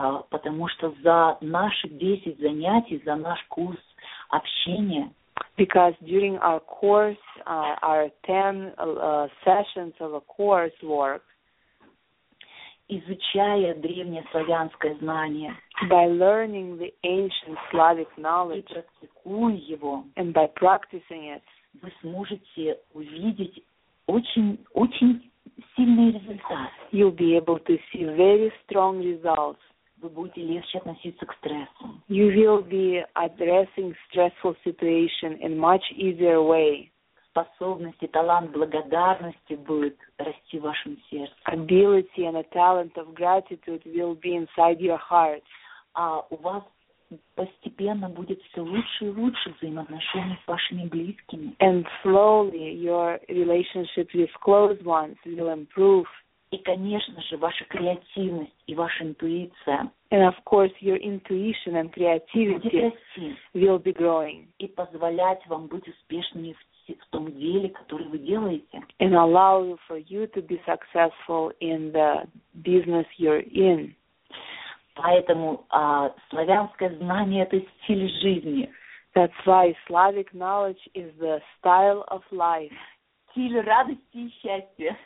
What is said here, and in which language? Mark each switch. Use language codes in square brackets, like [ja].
[ru] Потому что за наши 10 занятий, за наш курс общения. [en] Because during our course, our 10 sessions of a course work, [ru] изучая древнеславянское знание, [en] by learning the ancient Slavic knowledge, [ru] и практикуя его, [en] and by practicing it, [ru] вы сможете увидеть очень, очень сильный результат. [en] You'll be able to see very strong results. [ru] Вы будете легче относиться к стрессу. [en] You will be addressing stressful situation in much easier way. [ru] Способности, талант благодарности будет расти в вашем сердце. [en] Ability and a talent of gratitude will be inside your heart. [ru] А у вас постепенно будет все лучше и лучше взаимоотношения с вашими близкими. [en] And slowly your relationship with close ones will improve. [ru] И, конечно же, ваша креативность и ваша интуиция. [en] And of course your intuition and creativity will be growing. [ru] И позволять вам быть успешными в том деле, которое вы делаете. [en] And allow for you to be successful in the business you're in. [ru] Поэтому славянское знание – это стиль жизни. [en] That's why Slavic knowledge is the style of life. [ru] Стиль радости и счастья.